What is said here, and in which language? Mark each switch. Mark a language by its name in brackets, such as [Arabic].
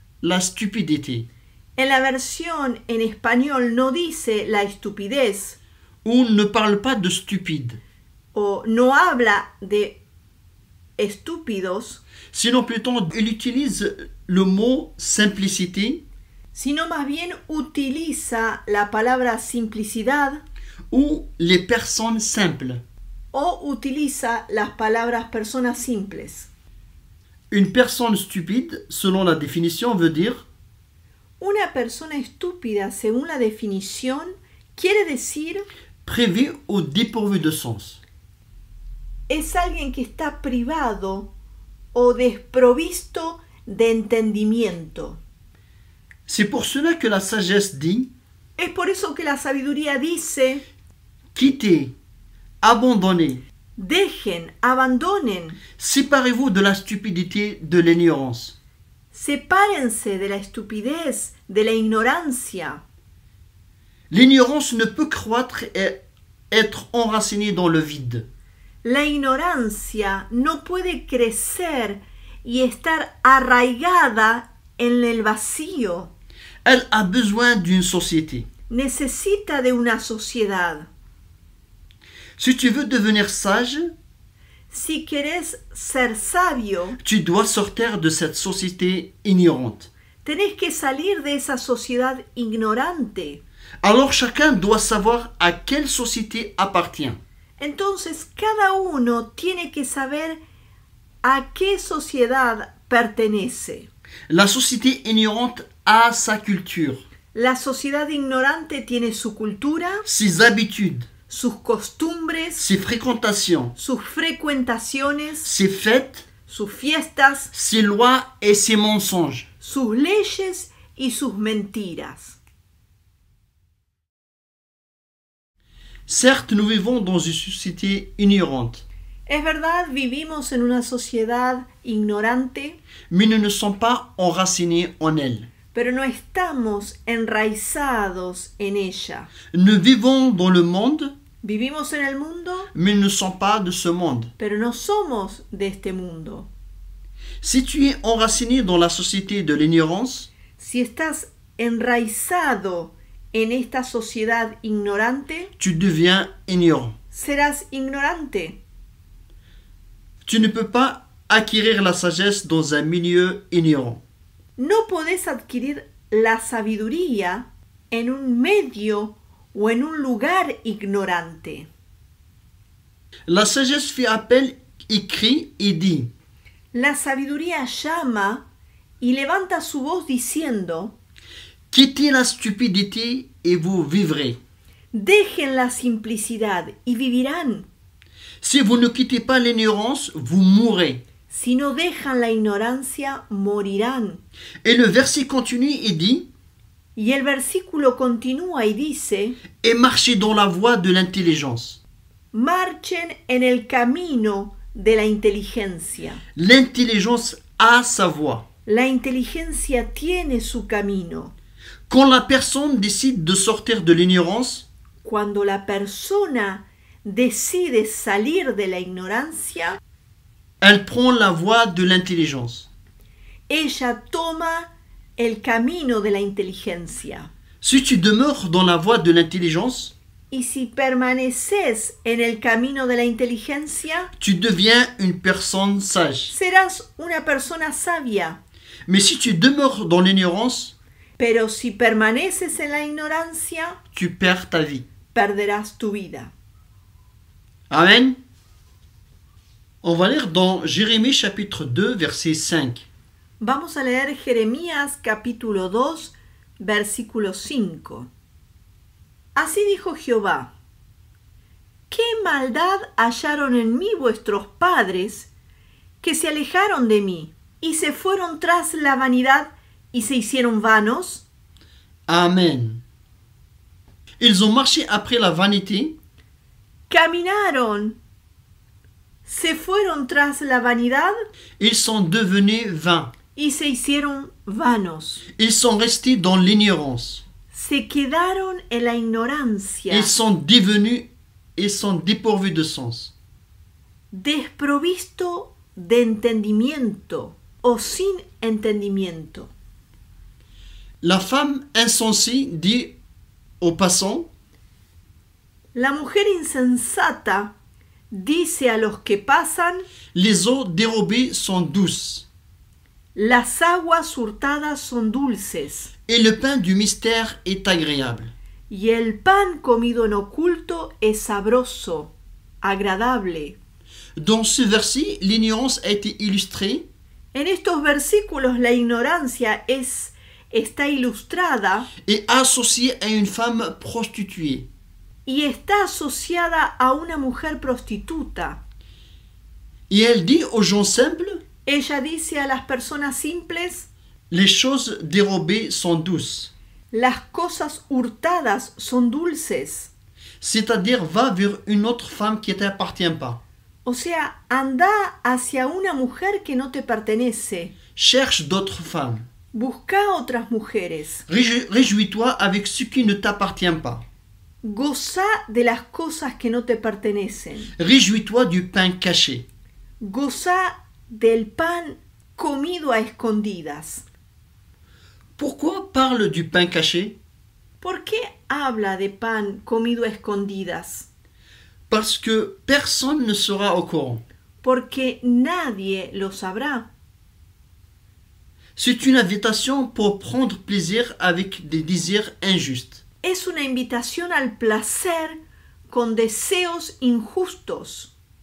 [French] La stupidité. [Spanish] En la versión en español no dice la estupidez. [French] Ou ne parle pas de stupide. [Spanish] O no habla de estúpidos. Sino [French] plutôt, il utilise le mot simplicité. [Spanish] Sino más bien utiliza la palabra simplicidad. [French] Ou les personnes simples. [Spanish] O utiliza las palabras personas simples. [French] Une personne stupide, selon la définition, veut dire. [Spanish] Una persona estúpida, según la definición, quiere decir. [French] Privé ou dépourvu de sens. [Spanish] Es alguien que está privado o desprovisto de entendimiento. [French] C'est pour cela que la sagesse dit. [Spanish] Es por eso que la sabiduría dice. [French] Quitter, abandonner. [Spanish] Dejen, abandonnen. [French] Séparez-vous de la stupidité de l'ignorance. [Spanish] Sepárense de la estupidez, de la ignorancia. [French] L'ignorance ne peut croître et être enracinée dans le vide. [Spanish] La ignorancia no puede crecer y estar arraigada en el vacío. [French] Elle a besoin d'une société. [Spanish] Necesita de una sociedad. [French] Si tu veux devenir sage, [Spanish] si quieres ser sabio, [French] tu dois sortir de cette société ignorante. [Spanish] Tienes que salir de esa sociedad ignorante. [French] Alors chacun doit savoir à quelle société appartient. [Spanish] Entonces, cada uno tiene que saber a qué sociedad pertenece. [French] La société ignorante a sa culture. [Spanish] La sociedad ignorante tiene su cultura, [French] ses habitudes, [Spanish] sus costumbres, [French] ses fréquentations, [Spanish] sus frecuentaciones, [French] ses fêtes, [Spanish] sus fiestas, [French] ses lois et ses mensonges, [Spanish] sus leyes y sus mentiras. [French] Certes, nous vivons dans une société ignorante. [Spanish] Es verdad, vivimos en una sociedad ignorante. [French] Mais nous ne sommes pas enracinés en elle. [Spanish] Pero no estamos enraizados en ella. [French] Nous vivons dans le monde. [Spanish] Vivimos en el mundo. [French] Mais nous ne sommes pas de ce monde. [Spanish] Pero no somos de este mundo. [French] Si tu es enraciné dans la société de l'ignorance. [Spanish] Si estás enraizado en esta sociedad ignorante. [French] Tu deviens ignorant. [Spanish] Serás ignorante. [French] Tu ne peux pas acquérir la sagesse dans un milieu ignorant. [Spanish] No podés adquirir la sabiduría en un medio o en un lugar ignorante. [French] La sagesse fait appel [Spanish] y [French] crie y dit. [Spanish] La sabiduría llama y levanta su voz diciendo. [French] Quittez la stupidité et vous vivrez. [Spanish] Dejen la simplicidad y vivirán. [French] Si vous ne quittez pas l'ignorance, vous mourrez. [Spanish] Si no dejan la ignorancia, morirán. [French] Et le verset continue et dit. [Spanish] Y el versículo continúa y dice. [French] Et marchez dans la voie de l'intelligence. [Spanish] Marchen en el camino de la inteligencia. [French] L'intelligence a sa voie. [Spanish] La inteligencia tiene su camino. [French] Quand la personne décide de sortir de l'ignorance. [Spanish] Cuando la persona decide salir de la ignorancia. [French] Elle prend la voie de l'intelligence. [Spanish] Ella toma el camino de la inteligencia. [French] Si tu demeures dans la voie de l'intelligence. [Spanish] Y si permaneces en el camino de la inteligencia. [French] Tu deviens une personne sage. [Spanish] Serás una persona sabia. [French] Mais si tu demeures dans l'ignorance. [Spanish] Pero si permaneces en la ignorancia. [French] Tu perds ta vie. [Spanish] Perderás tu vida. [French] Amen. On va lire dans Jérémie chapitre 2, verset 5. [Spanish] Vamos a leer Jeremías capítulo 2, versículo 5. Así dijo Jehová. ¿Qué maldad hallaron en mí vuestros padres que se alejaron de mí y se fueron tras la vanidad y se hicieron vanos? Amén. [French] Ils ont marché après la vanité. [Spanish] Caminaron. Se fueron tras la vanidad. [French] Ils sont devenus vains. [Spanish] Y se hicieron vanos. [French] Ils sont restés dans l'ignorance. [Spanish] Se quedaron en la ignorancia. [French] Ils sont dépourvus de sens. [Spanish] Desprovisto de entendimiento o sin entendimiento. [French] La femme insensée dit au passant. [Spanish] La mujer insensata dice a los que pasan. [French] Les eaux dérobées sont douces. [Spanish] Las aguas hurtadas son dulces. [French] Et le pain du mystère est agréable. [Spanish] Y el pan comido en oculto es sabroso, agradable. [French] Dans ce verset, l'ignorance a été illustrée. [Spanish] En estos versículos la ignorancia está ilustrada. [French] Et associée à une femme prostituée. [Spanish] Y está asociada a una mujer prostituta. Y [French] elle dit aux gens simples. [Spanish] Ella dice a las personas simples. [French] Les choses dérobées sont douces. [Spanish] Las cosas hurtadas son dulces. [French] C'est-à-dire, va vers une autre femme qui ne t'appartient pas. [Spanish] O sea, anda hacia una mujer que no te pertenece. [French] Cherche d'autres femmes. [Spanish] Busca otras mujeres. [French] Réjouis-toi avec ce qui ne t'appartient pas. [Spanish] Goza de las cosas que no te pertenecen. [French] Réjouis-toi du pain caché. [Spanish] Goza del pan comido a escondidas. [French] Pourquoi parle du pain caché? [Spanish] ¿Por qué habla de pan comido a escondidas? [French] Parce que personne ne sera au courant. [Spanish] Porque nadie lo sabrá. [French] C'est une invitation pour prendre plaisir avec des désirs injustes. [Spanish] es una invitación al placer con deseos injustos.